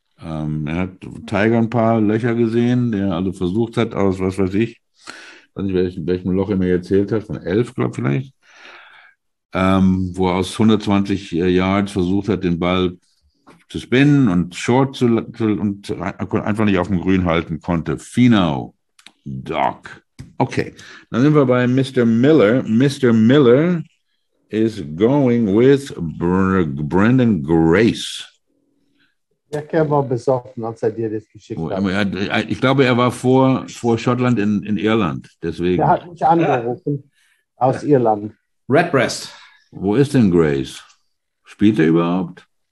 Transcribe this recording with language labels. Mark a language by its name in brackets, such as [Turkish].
[German] Er hat Tiger ein paar Löcher gesehen, der also versucht hat, aus was weiß ich, welchem Loch er mir erzählt hat, von 11, glaube ich, vielleicht, wo er aus 120 Yards versucht hat, den Ball zu spinnen und short und einfach nicht auf dem Grün halten konnte. Finau. Doc. Okay, dann sind wir bei Mr. Miller. Mr. [English] Miller is going with Brandon Grace. [German] Ja, er war besoffen, als er dir das geschickt hat. Ich glaube, er war vor Schottland in Irland. Deswegen. Er hat mich angerufen aus Irland. Redbreast. Wo ist denn Grace? Spielt er überhaupt?